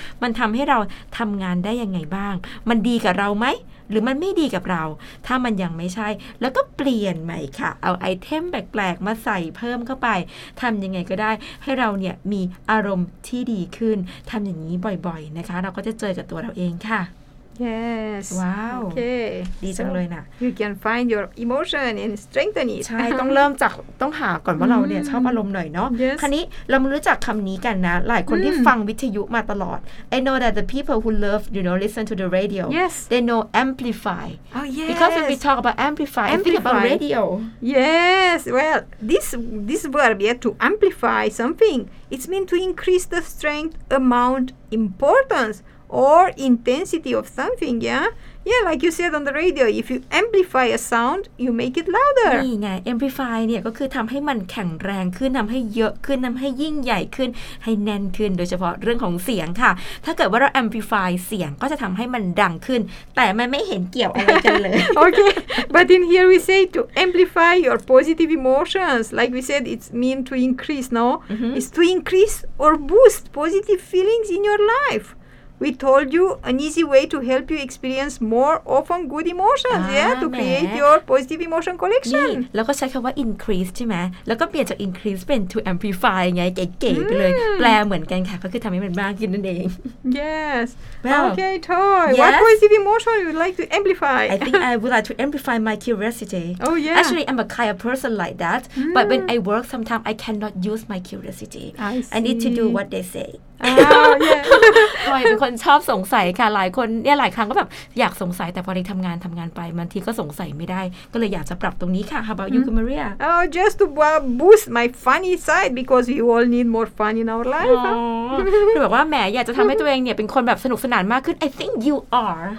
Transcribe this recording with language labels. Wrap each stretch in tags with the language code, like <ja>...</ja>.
<th>มันทำให้เราทำงานได้ยังไงบ้างมันดีกับเราไหมหรือมันไม่ดีกับเราถ้ามันยังไม่ใช่แล้วก็เปลี่ยนใหม่ค่ะเอาไอเทมแปลกๆมาใส่เพิ่มเข้าไปทำยังไงก็ได้ให้เราเนี่ยมีอารมณ์ที่ดีขึ้นทำอย่างนี้บ่อยๆนะคะเราก็จะเจอกับตัวเราเองค่ะ</th> <en>yes wow okay</en> <th>ดีจังเลยน่ะ</th> <en>you can find your emotion and strengthen it</en> <th>ใช่ ต้องเริ่มจากต้องหาก่อนว่าเราเนี่ยชอบอารมณ์หน่อยเนาะ</th> <en>yes</en> <th>คราวนี้เรามารู้จักคำนี้กันนะหลายคนที่ฟังวิทยุมาตลอด</th> <en>I know that the people who love you know listen to the radio yes they know amplify oh yes because when we talk about amplify think about radio yes well this verb yet to amplify something it's mean to increase the strength amount importanceOr intensity of something, yeah, like you said on the radio. If you amplify a sound, you make it louder.</en> <th>นี่ไง amplify เนี่ยก็คือทำให้มันแข็งแรงขึ้นทำให้เยอะขึ้นทำให้ยิ่งใหญ่ขึ้นให้แน่นขึ้นโดยเฉพาะเรื่องของเสียงค่ะถ้าเกิดว่าเรา amplify เสียงก็จะทำให้มันดังขึ้นแต่มันไม่เห็นเกี่ยวอะไรกันเลย</th> <en>Okay, but in here we say to amplify your positive emotions, like we said, it's mean to increase, no? Mm-hmm. It's to increase or boost positive feelings in your life. We told you an easy way to help you experience more often good emotions, to create your positive emotion collection.</en> <th>นี่แล้วก็ใช้คำว่า increase ใช่ไหมแล้วก็เปลี่ยนจาก increase เป็น to amplify ไงเก๋ๆไปเลยแปลเหมือนกันค่ะก็คือทำให้มันมากขึ้นนั่นเอง</th> <en>Yes. Well, okay, Toy. Yes? What positive emotion you'd like to amplify? I think I would like to amplify my curiosity. Oh, yeah. Actually, I'm a kind of person like that. But when I work, sometimes I cannot use my curiosity. I need to do what they say. Oh, yeah.</en> <th>ทอยเป็นคนชอบสงสัยค่ะหลายคนเนี่ยหลายครั้งก็แบบอยากสงสัยแต่พอได้ทำงานไปบางทีก็สงสัยไม่ได้ก็เลยอยากจะปรับตรงนี้ค่ะ</th> <en>How about you, Maria? Oh, just to boost my funny side because we all need more fun in our life.</en> <th>หรือแบบว่าแหมอยากจะทำให้ตัวเองเนี่ยเป็นคนแบบสนุกสนานมากขึ้น</th> <en>I think you are.</en>